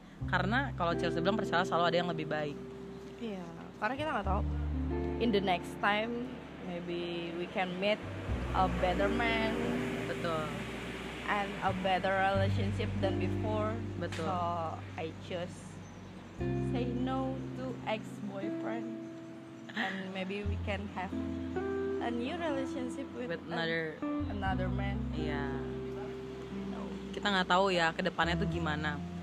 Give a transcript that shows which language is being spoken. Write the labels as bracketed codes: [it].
[id] Karena kalau Chelsea bilang percaya selalu ada yang lebih baik. Iya, yeah, karena kita nggak tahu. [en] In the next time, maybe we can meet a better man. [id] Betul. [en] And a better relationship than before. [id] Betul. [en] So I choose say no to ex-boyfriend and maybe we can have a new relationship with another man. [id] Iya. No. Kita nggak tahu ya kedepannya tuh gimana.